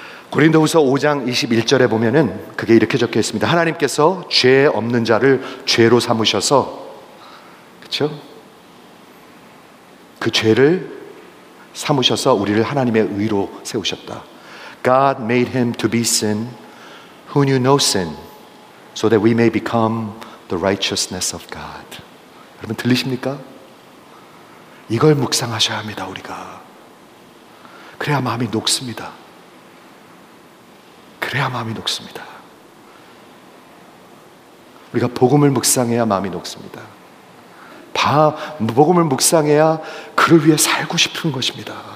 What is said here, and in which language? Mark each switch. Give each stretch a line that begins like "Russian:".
Korean: 고린도후서 5장 21절에 보면은 그게 이렇게 적혀 있습니다. 하나님께서 죄 없는 자를 죄로 삼으셔서, 그렇죠? 그 죄를 삼으셔서 우리를 하나님의 의로 세우셨다.
English: God made him to be sin who knew no sin so that we may become the righteousness of God.
Korean: 여러분 들리십니까? 이걸 묵상하셔야 합니다. 우리가 그래야 마음이 녹습니다. 그래야 마음이 녹습니다. 우리가 복음을 묵상해야 마음이 녹습니다. 복음을 묵상해야 그를 위해 살고 싶은 것입니다.